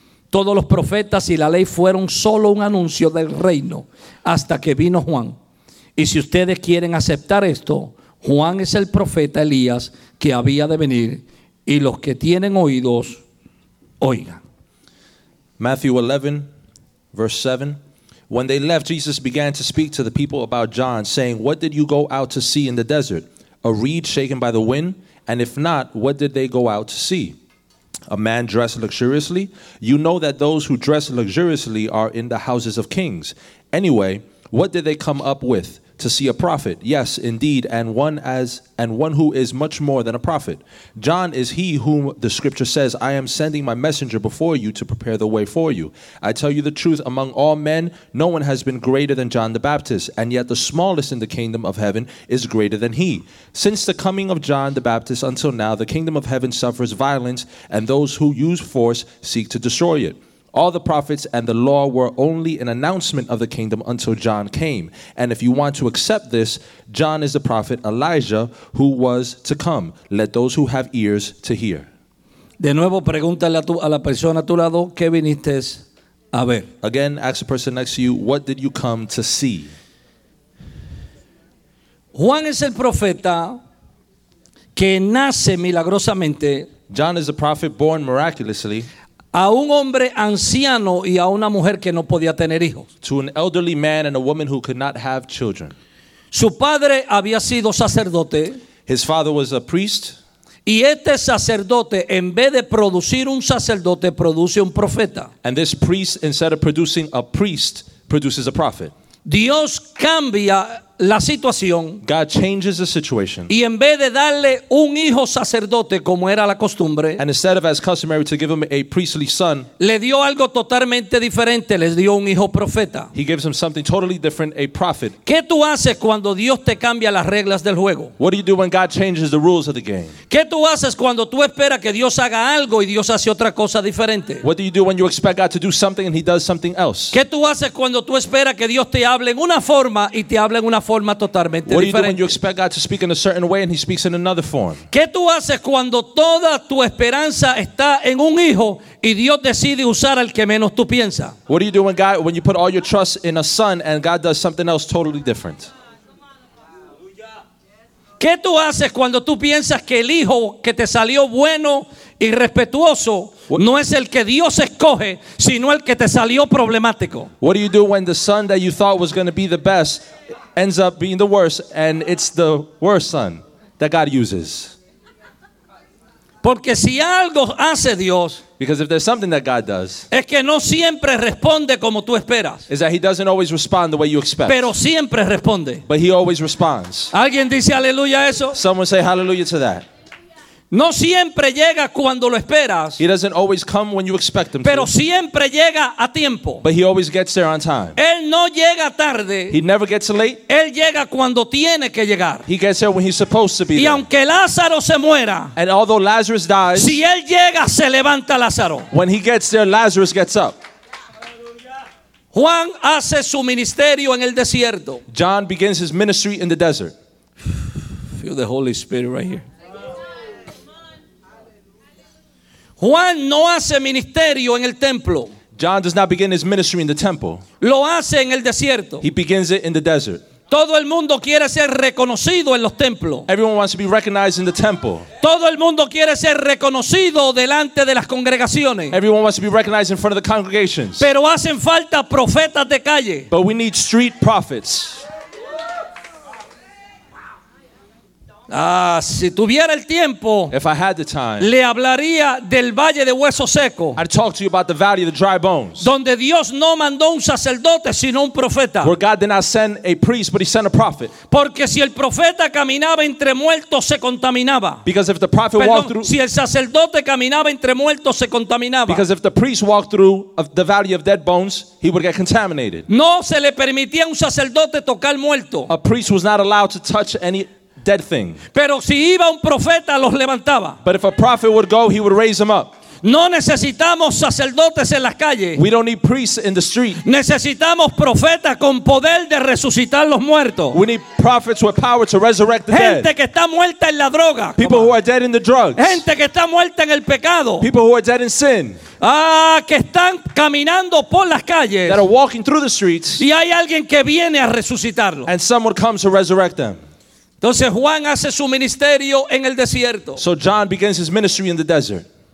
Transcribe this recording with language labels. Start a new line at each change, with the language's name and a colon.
Spanish: Todos los profetas y la ley fueron solo un anuncio del reino hasta que vino Juan. Y si ustedes quieren aceptar esto, Juan es el profeta Elías que había de venir, y los que tienen oídos, oigan.
English: Matthew 11, verse 7. When they left, Jesus began to speak to the people about John, saying, what did you go out to see in the desert? A reed shaken by the wind? And if not, what did they go out to see? A man dressed luxuriously? You know that those who dress luxuriously are in the houses of kings. Anyway, what did they come up with? To see a prophet? Yes, indeed, and one who is much more than a prophet. John is he whom the scripture says, I am sending my messenger before you to prepare the way for you. I tell you the truth, among all men, no one has been greater than John the Baptist, and yet the smallest in the kingdom of heaven is greater than he. Since the coming of John the Baptist until now, the kingdom of heaven suffers violence, and those who use force seek to destroy it. All the prophets and the law were only an announcement of the kingdom until John came. And if you want to accept this, John is the prophet Elijah who was to come. Let those who have ears to hear.
Spanish: De nuevo, pregúntale a la persona a tu lado, ¿qué viniste a ver?
English: Again, ask the person next to you, what did you come to see?
Spanish: Juan es el profeta que nace milagrosamente.
English: John is the prophet born miraculously.
Spanish: A un hombre anciano y a una mujer que no podía tener hijos.
English: To an elderly man and a woman who could not have children.
Spanish: Su padre había sido sacerdote.
English: His father was a priest.
Spanish: Y este sacerdote, en vez de producir un sacerdote, produce un profeta.
English: And this priest, instead of producing a priest, produces a prophet.
Spanish: Dios cambia la situación.
English: God changes the situation.
Spanish: Y en vez de darle un hijo sacerdote como era la costumbre,
English: and instead of as customary to give him a priestly son,
Spanish: le dio algo totalmente diferente, le dio un hijo profeta.
English: He gives him something totally different, a prophet.
Spanish: ¿Qué tú haces cuando Dios te cambia las reglas del juego?
English: What do you do when God changes the rules of the game?
Spanish: ¿Qué tú haces cuando tú esperas que Dios haga algo y Dios hace otra cosa diferente?
English: What do you do when you expect God to do something and he does something else?
Spanish: ¿Qué tú haces cuando tú esperas que Dios te hable en una forma y te hable en una forma totalmente diferente?
English: What do you do when you expect God to speak in a certain way and he speaks in another form?
Spanish: ¿Qué tú haces cuando toda tu esperanza está en un hijo y Dios decide usar al que menos tú piensas?
English: What do you do when you put all your trust in a son and God does something else totally different?
Spanish: ¿Qué tú haces cuando tú piensas que el hijo que te salió bueno y respetuoso no es el que Dios escoge, sino el que te salió problemático?
English: What do you do when the son that you thought was going to be the best ends up being the worst, and it's the worst son that God uses?
Spanish: Porque si algo hace Dios,
English: because if there's something that God does,
Spanish: es que no siempre responde como tú esperas,
English: is that he doesn't always respond the way you expect,
Spanish: pero siempre responde.
English: But he always responds.
Spanish: ¿Alguien dice aleluya a eso?
English: Someone say hallelujah to that.
Spanish: No siempre llega cuando lo esperas.
English: He doesn't always come when you expect him to.
Spanish: Pero siempre llega a tiempo.
English: But he always gets there on time.
Spanish: Él no llega tarde.
English: He never gets late.
Spanish: Él llega cuando tiene que llegar.
English: He gets there when he's supposed to be there.
Spanish: Y aunque Lázaro se muera,
English: and although Lazarus dies,
Spanish: si él llega, se levanta Lázaro.
English: When he gets there, Lazarus gets up.
Spanish: Juan hace su ministerio en el desierto.
English: John begins his ministry in the desert. feel the Holy Spirit right here.
Spanish: Juan no hace ministerio en el templo.
English: John does not begin his ministry in the temple.
Spanish: Lo hace en el desierto.
English: He begins it in the desert.
Spanish: Todo el mundo quiere ser reconocido en los templos.
English: Everyone wants to be recognized in the temple.
Spanish: Todo el mundo quiere ser reconocido delante de las congregaciones.
English: Everyone wants to be recognized in front of the congregations.
Spanish: Pero hacen falta profetas de calle.
English: But we need street prophets.
Spanish: Si tuviera el tiempo,
English: if I had the time,
Spanish: le hablaría del valle de hueso seco.
English: I'd talk to you about the valley of the dry bones.
Spanish: Donde Dios no mandó un sacerdote, sino un profeta.
English: Where God did not send a priest, but he sent a prophet.
Spanish: Porque si el profeta caminaba entre muertos, se contaminaba.
English: Because if the prophet walked through,
Spanish: si el sacerdote caminaba entre muertos, se contaminaba.
English: Because if the priest walked through the valley of dead bones, he would get contaminated.
Spanish: No se le permitía un sacerdote tocar muerto.
English: A priest was not allowed to touch any dead thing.
Spanish: Pero si iba un profeta, los levantaba.
English: But if a prophet would go, he would raise them up.
Spanish: No necesitamos sacerdotes en las calles.
English: We don't need priests in the street.
Spanish: Necesitamos profetas con poder de resucitar los muertos.
English: We need prophets with power to resurrect the
Spanish: gente
English: dead.
Spanish: Gente que está muerta en la droga.
English: People who are dead in the drugs.
Spanish: Gente que está muerta en el pecado.
English: People who are dead in sin.
Spanish: Que están caminando por las calles.
English: That are walking through the streets.
Spanish: Y hay alguien que viene a resucitarlos.
English: And someone comes to resurrect them.
Spanish: Entonces Juan hace su ministerio en el desierto.
English: So John begins his ministry in the desert.